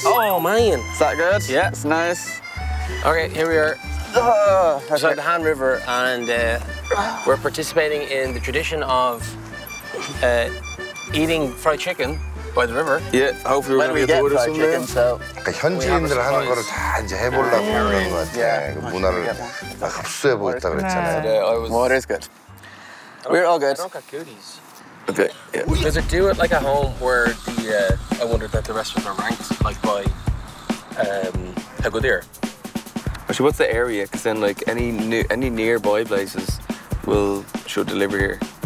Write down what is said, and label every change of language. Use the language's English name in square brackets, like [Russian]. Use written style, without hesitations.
[English] Oh, man. Is that good? Yeah. It's nice. Okay, here we are. Okay. So at the Han River, and we're participating in the tradition of eating fried chicken by the river. Yeah, hopefully we're going to get to order some chicken. So [Korean] 그러니까 현지인들 하는 거를 다 이제 해보려고 하는 것 같아요. Yeah, 그 문화를 다 흡수해보고 있다고 그랬잖아요. [English] Water is good. We're all good. I don't got cooties. Okay. Yeah. Does it do it like a home where the, I wonder that the restaurants are ranked like by how good they are? Actually, what's the area? Because then like any nearby places will should deliver here.